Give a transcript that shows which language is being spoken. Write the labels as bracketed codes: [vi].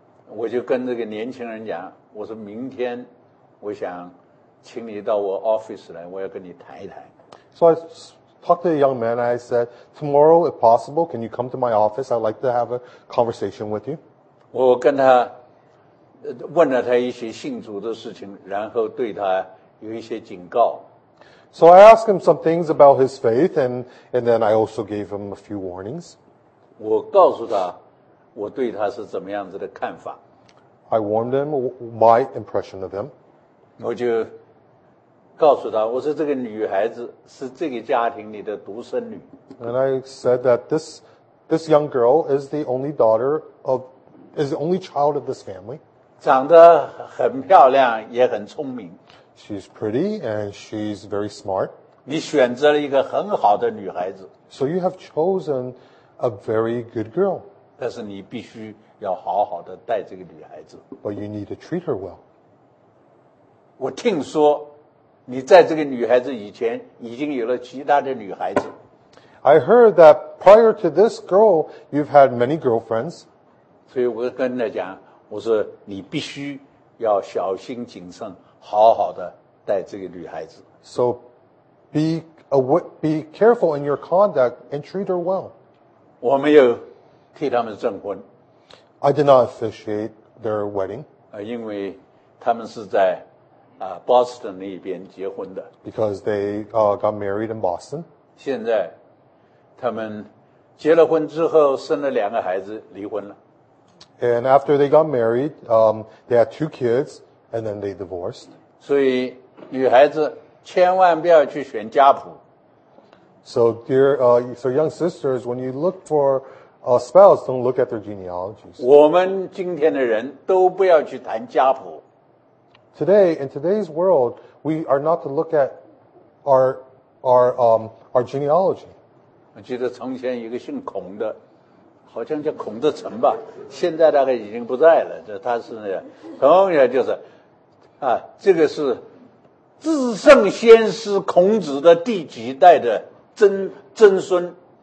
[zh] 我就跟这个年轻人讲，我说明天我想请你到我 office 来，我要跟你谈一谈。 [en] So I talked to the young man. I said, "Tomorrow, if possible, can you come to my office? I'd like to have a conversation with you." [zh] 我跟他问了他一些信主的事情，然后对他有一些警告。 [en] So I asked him some things about his faith, and then I also gave him a few warnings. [zh] 我告诉他我对他是怎么样子的看法。 [en] I warned him my impression of him. [zh] 我就告诉他，我说这个女孩子是这个家庭里的独生女。 [en] And I said that this young girl is the only daughter of, is the only child of this family. [zh] 长得很漂亮，也很聪明。 [en] She's pretty and she's very smart. [zh] 你选择了一个很好的女孩子。 [en] So you have chosen a very good girl. [zh] 但是你必须要好好的带这个女孩子。 [en] But you need to treat her well. [zh] 我听说你在这个女孩子以前已经有了其他的女孩子。 [en] I heard that prior to this girl, you've had many girlfriends. [zh] 所以我跟她讲，我说你必须要小心谨慎，好好的带这个女孩子。 [en] So be careful in your conduct and treat her well. [zh] 我没有替他们证婚。 [en] I did not officiate their wedding. [zh] 因为他们是在Boston 那边结婚的。 [en] Because they got married in Boston. [zh] 现在他们结了婚之后生了两个孩子离婚了。 [en] And after they got married, they had two kids and then they divorced. [zh] 所以女孩子千万不要去选家谱。 [en] So dear, so young sisters, when you look for a spouse, don't look at their genealogies. [zh] 我们今天的人都不要去谈家谱。 [en] Today, in today's world, we are not to look at our genealogy. [zh] 我记得从前一个姓孔的，好像叫孔德成吧，现在大概已经不在了。这他是那同样就是，啊，这个是至圣先师孔子的第几代的曾孙。